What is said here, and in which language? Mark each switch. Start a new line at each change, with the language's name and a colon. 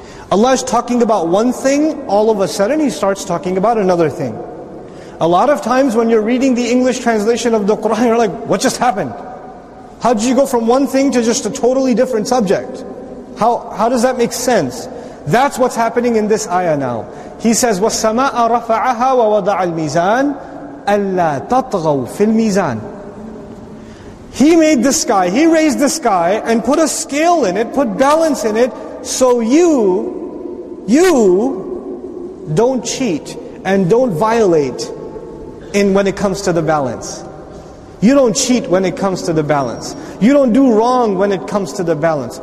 English: Allah is talking about one thing, all of a sudden He starts talking about another thing. A lot of times when you're reading the English translation of the Qur'an, you're like, what just happened? How did you go from one thing to just a totally different subject? How does that make sense? That's what's happening in this ayah now. He says,
Arabic: وَالسَّمَاءَ رَفَعَهَا وَوَضَعَ الْمِيزَانَ أَلَّا تَطْغَوْ فِي الْمِيزَانَ.
English: He made the sky, He raised the sky and put a scale in it, put balance in it, so you don't cheat and don't violate in when it comes to the balance. You don't cheat when it comes to the balance. You don't do wrong when it comes to the balance.